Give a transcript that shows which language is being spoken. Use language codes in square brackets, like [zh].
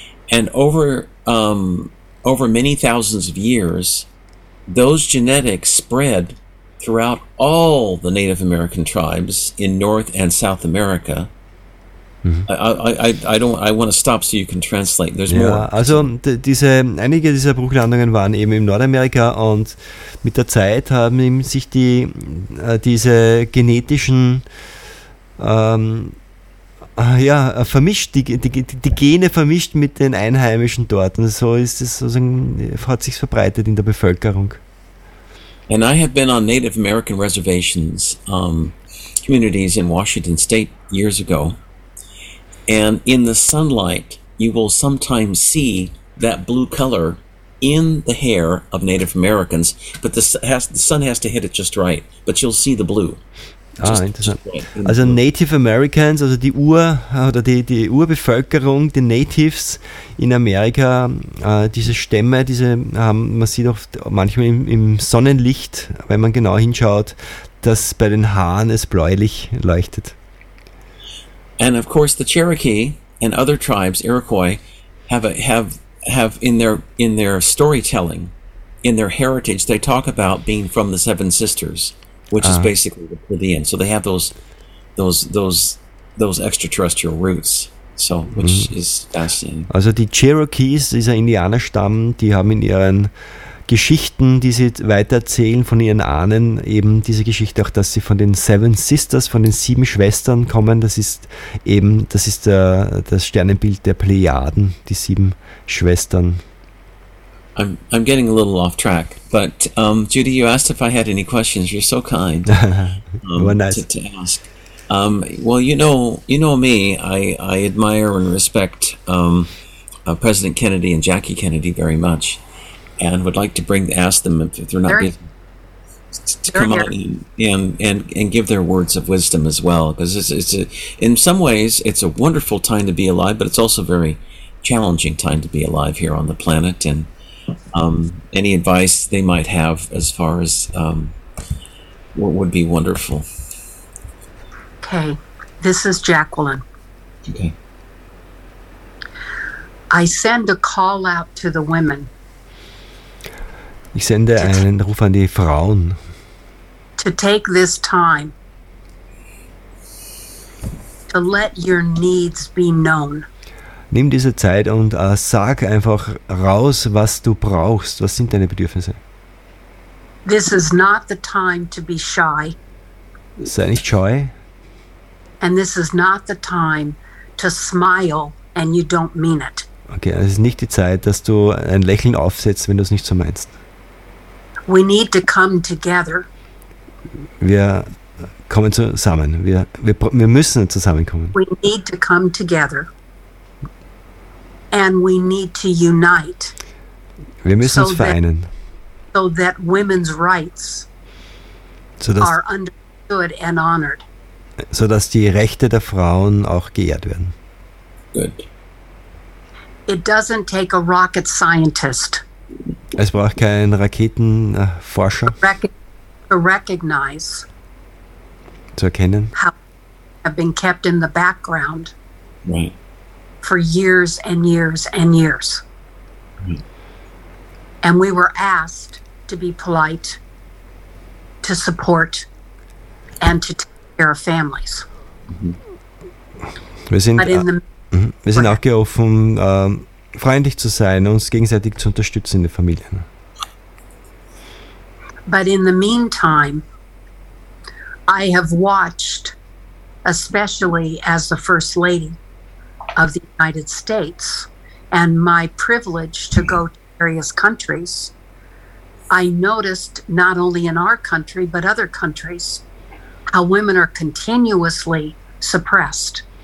[en] And over many thousands of years, those genetics spread throughout all the Native American tribes in North and South America. Mm-hmm. I want to stop so you can translate. There's more. [de] Also einige dieser Bruchlandungen waren eben in Nordamerika und mit der Zeit haben sich diese genetischen vermischt, die Gene vermischt mit den Einheimischen dort. Und so ist es sozusagen, hat sich verbreitet in der Bevölkerung. [en] And I have been on Native American reservations, communities in Washington State years ago. And in the sunlight, you will sometimes see that blue color in the hair of Native Americans. But the sun has to hit it just right. But you'll see the blue. [de] Interessant. Also Native Americans, also die die Urbevölkerung, die Natives in Amerika, diese Stämme, diese haben, man sieht auch manchmal im Sonnenlicht, wenn man genau hinschaut, dass bei den Haaren es bläulich leuchtet. [en] And of course the Cherokee and other tribes, Iroquois, have in their storytelling, in their heritage, they talk about being from the Seven Sisters, which is basically the Pleiadian. So they have those extraterrestrial roots. So which is fascinating. [de] Also die Cherokees, dieser Indianerstamm, die haben in ihren Geschichten, die sie weitererzählen von ihren Ahnen, eben diese Geschichte auch, dass sie von den Seven Sisters, von den sieben Schwestern kommen. Das ist das Sternenbild der Plejaden, die sieben Schwestern. [en] I'm getting a little off track, but Judy, you asked if I had any questions. You're so kind. nice. to ask. Well, you know me. I admire and respect President Kennedy and Jackie Kennedy very much, and would like to ask them if they're not busy, to come on and give their words of wisdom as well, because in some ways it's a wonderful time to be alive, but it's also a very challenging time to be alive here on the planet. And any advice they might have as far as what would be wonderful. Okay, this is Jacqueline. Okay. I send a call out to the women. [de] Ich sende einen Ruf an die Frauen. [en] To take this time to let your needs be known. [de] nimm diese Zeit und sag einfach raus, was du brauchst. Was sind deine Bedürfnisse? [en] This is not the time to be shy. [de] Sei nicht scheu. [en] And this is not the time to smile and you don't mean it. [de] Okay, es ist nicht die Zeit, dass du ein Lächeln aufsetzt, wenn du es nicht so meinst. [en] We need to come together. [de] Wir kommen zusammen. Wir müssen zusammenkommen. [en] We need to come together. And we need to unite. [de] Wir müssen uns vereinen. [en] So that women's rights are understood and honored. [de] So dass die Rechte der Frauen auch geehrt werden. [en] Good. It doesn't take a rocket scientist. [de] Es braucht keinen Raketenforscher. [en] To recognize. [de] Zu erkennen. [en] How have been kept in the background. Right. For years and years and years. Right. And we were asked to be polite, to support and to take care of families. [de] Wir sind auch gerufen, freundlich zu sein, uns gegenseitig zu unterstützen in den Familien. [en] But in the meantime, I have watched, especially as the First Lady of the United States, and my privilege to go to various countries, I noticed not only in our country but other countries how women are continuously suppressed.